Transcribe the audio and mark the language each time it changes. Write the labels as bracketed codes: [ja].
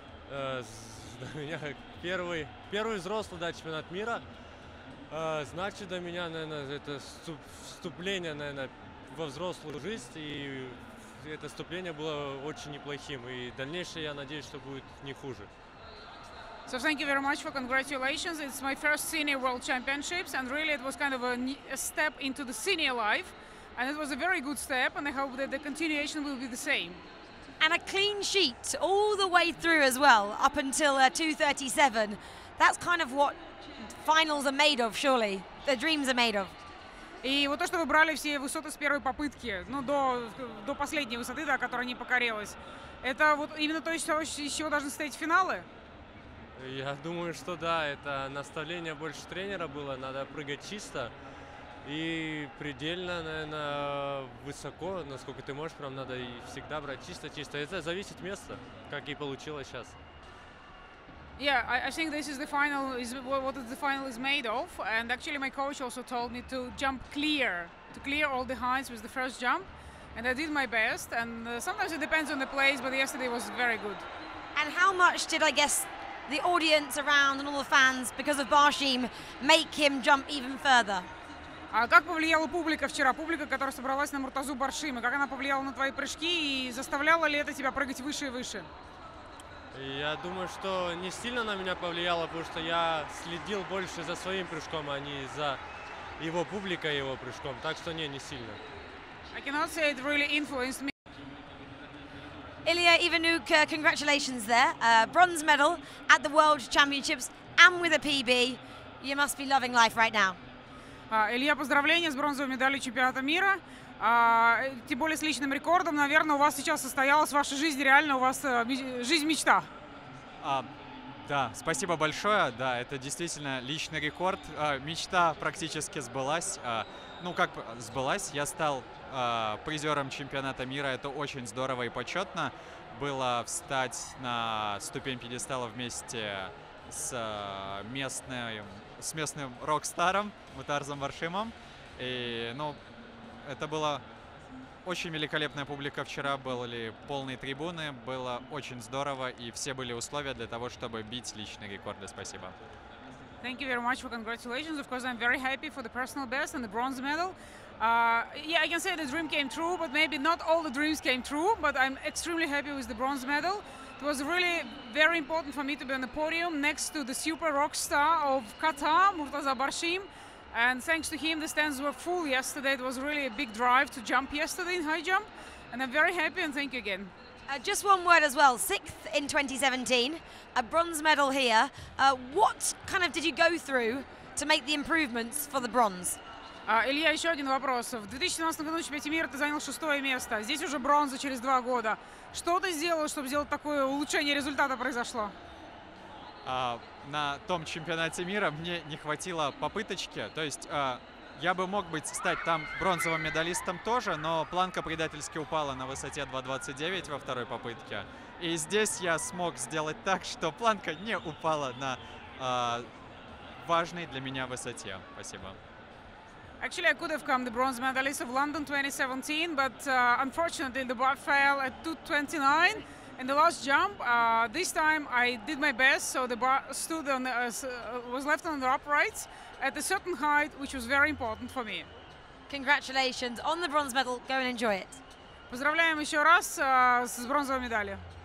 [ru] Для меня первый взрослый, да, чемпионат мира. Значит, для меня, наверное, это вступление, наверное, во взрослую жизнь. И это вступление было очень неплохим. И дальнейшее, я надеюсь, что будет не хуже. [en] So thank you very much for congratulations. It's my first senior world championships, and really it was kind of a step into the senior life, and it was a very good step, and I hope that the continuation will be the same. And a clean sheet all the way through as well, up until 2:37. That's kind of what finals are made of, surely. The dreams are made of. [ru] И вот то, что вы брали все высоты с первой попытки, ну до последней высоты, да, которая не покорилась, это вот именно то, из чего должны стоять финалы. Я думаю, что да, это наставление больше тренера было, надо прыгать чисто и предельно, наверное, высоко, насколько ты можешь, прям надо и всегда брать чисто-чисто. Это зависит от места, как и получилось сейчас. [en] Yeah, I think this is the final, is what the final is made of, and actually my coach also told me to jump clear, to clear all the heights with the first jump, and I did my best, and sometimes it depends on the place, but yesterday was very good. And how much did, I guess, the audience around and all the fans, because of Barshim, make him jump even further? [ru] Как повлияла публика вчера? Публика, которая собралась на Муртазу Баршима, как она повлияла на твои прыжки и заставляла ли это тебя прыгать выше и выше? Я думаю, что не сильно на меня повлияло, потому что я следил больше за своим прыжком, а не за его публикой его прыжком. Так что не сильно. [en] I cannot say it really influenced me. Ilya, Ivanyuk, congratulations there. Bronze medal at the World Championships and with a PB. You must be loving life right now. [ru] Илья, поздравления с бронзовой медалью чемпионата мира. Тем более с личным рекордом. Наверное, у вас сейчас состоялась ваша жизнь, реально у вас жизнь мечта. Да, спасибо большое. Да, это действительно личный рекорд. Мечта практически сбылась. Ну, как сбылась, я стал призером чемпионата мира. Это очень здорово и почетно было встать на ступень пьедестала вместе с местным рок-старом Мутарзом Баршимом. И, ну, это была очень великолепная публика вчера, были полные трибуны, было очень здорово, и все были условия для того, чтобы бить личные рекорды. Спасибо. [en] Thank you very much for congratulations. Of course, I'm very happy for the personal best and the bronze medal. Yeah, I can say the dream came true, but maybe not all the dreams came true, but I'm extremely happy with the bronze medal. It was really very important for me to be on the podium next to the super rock star of Qatar, Murtaza Barshim. And thanks to him, the stands were full yesterday. It was really a big drive to jump yesterday in high jump. And I'm very happy and thank you again. Just one word as well. Sixth in 2017, a bronze medal here. What kind of did you go through to make the improvements for the bronze? [ru] Илья, еще один вопрос. В 2017 году в чемпионате мира ты занял шестое место. Здесь уже бронза через два года. Что ты сделал, чтобы сделать такое улучшение результата произошло? На том чемпионате мира мне не хватило попыточки. То есть я бы мог быть стать там бронзовым медалистом тоже, но планка предательски упала на высоте 2.29 во второй попытке. И здесь я смог сделать так, что планка не упала на в важной для меня высоте. Спасибо. [en] Actually, I could have come the bronze medalist of London 2017, but unfortunately, the bar fell at 2:29 in the last jump. This time, I did my best, so the bar stood on the, was left on the upright at a certain height, which was very important for me. Congratulations on the bronze medal. Go and enjoy it. [ru] Поздравляем еще раз с бронзовой медалью.